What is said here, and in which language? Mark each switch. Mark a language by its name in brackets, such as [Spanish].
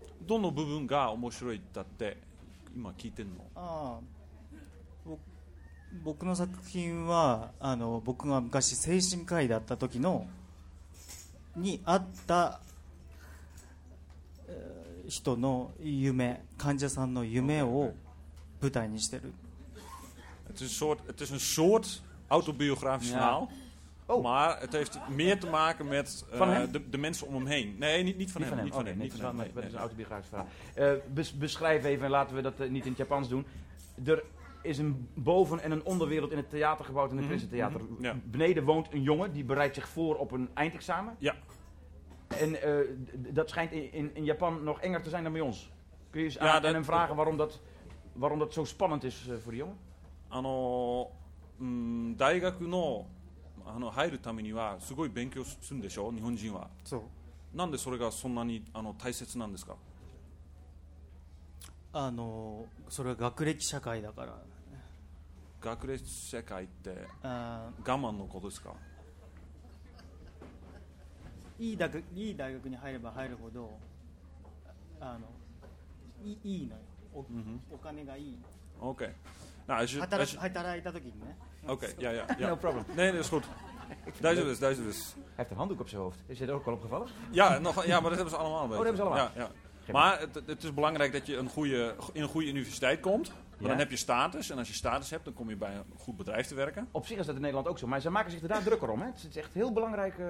[Japanese] どの部分が面白いだって今聞いてんの。僕の作品は僕が昔精神科医だった時のにあった人の夢、患者さんの夢を。 [Dutch] Het is een soort autobiografisch verhaal, ja. Maar het heeft meer te maken met de mensen om hem heen. Nee, niet van hem. Het is een autobiografisch verhaal. Beschrijf even, laten we dat niet in het Japans doen. Er is een boven- en een onderwereld in het theater gebouwd, in het Prinsen Theater. Ja. Beneden woont een jongen, die bereidt zich voor op een eindexamen. Ja. En dat schijnt in Japan nog enger te zijn dan bij ons. Kun je eens aan hem vragen waarom dat zo spannend is voor de jongen? [Japanese] 大学の、入るためにはすごい勉強するんでしょ、日本人は。そう。なんでそれがそんなに大切なんですか。それは学歴社会だから。学歴社会って我慢のことですか。いい大学に入れば入るほどいいのよ。お金がいい。 OK。 [English] No, I should... [Japanese] 働いた時にね。 [English] OK、yeah, yeah, yeah. No problem. [Dutch] Nee, nee, is goed. [Japanese] 大丈夫です、大丈夫です。 [Dutch] Hij heeft een handdoek op zijn hoofd. Is hij er ook al opgevallen? Ja, maar dat hebben ze allemaal. Oh, dat hebben ze allemaal. Ja, ja. Maar het is belangrijk dat je in een goede universiteit komt. Want dan heb je status. En als je status hebt, dan kom je bij een goed bedrijf te werken. Op zich is dat in Nederland ook zo. Maar ze maken zich er daar drukker om. Hè? Het is echt heel belangrijk.